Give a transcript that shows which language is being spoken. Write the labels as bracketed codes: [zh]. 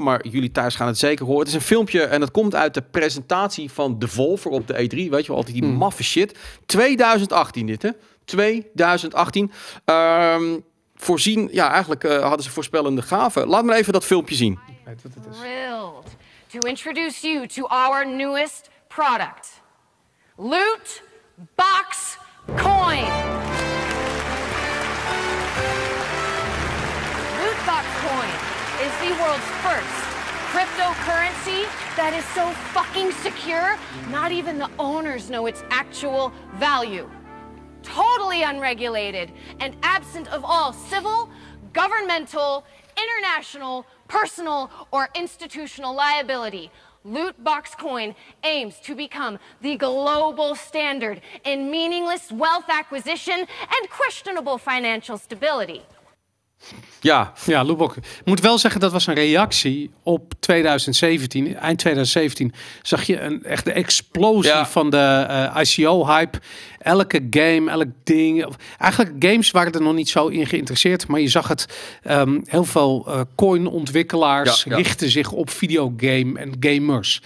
[nl] Maar jullie thuis gaan het zeker horen. Het is een filmpje en dat komt uit de presentatie van Devolver op de E3. Weet je wel, altijd die maffe shit. 2018 dit, hè? 2018. Voorzien, ja, eigenlijk hadden ze voorspellende gaven. Laat maar even dat filmpje zien. Ik weet wat het is. [en] Thrilled to introduce you to our newest product. Loot Box Coin. Loot Box Coin is the world's first cryptocurrency that is so fucking secure, not even the owners know its actual value. Totally unregulated and absent of all civil, governmental, international, personal, or institutional liability. Loot Box Coin aims to become the global standard in meaningless wealth acquisition and questionable financial stability. [nl] Ja, ja, Loebok. Ik moet wel zeggen, dat was een reactie op 2017. Eind 2017 zag je een echte explosie, ja, van de ICO-hype. Elke game, elk ding. Eigenlijk, games waren er nog niet zo in geïnteresseerd. Maar je zag het, heel veel coin-ontwikkelaars, ja, ja, richten zich op videogame en gamers.